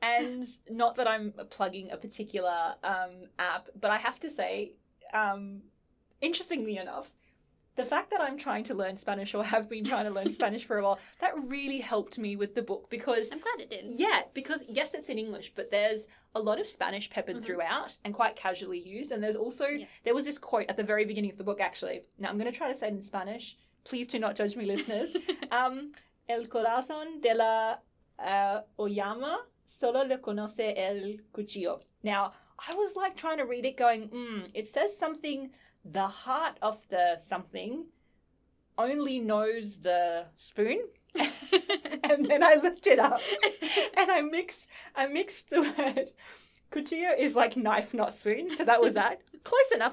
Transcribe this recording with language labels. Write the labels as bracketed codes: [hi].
[en] And not that I'm plugging a particular app, but I have to say, interestingly enough, the fact that I'm trying to learn Spanish or have been trying to learn Spanish for a while, that really helped me with the book because... I'm glad it did. Yeah, because yes, it's in English, but there's a lot of Spanish peppered throughout and quite casually used. And there's also... Yeah. There was this quote at the very beginning of the book, actually. Now, I'm going to try to say it in Spanish. Please do not judge me, listeners. [es] El corazón de la Oyama solo le conoce el cuchillo. [en] Now, I was like trying to read it going, it says something... The heart of the something only knows the spoon. And then I looked it up and I mixed the word. Cuchillo is like knife, not spoon. So that was that. Close enough.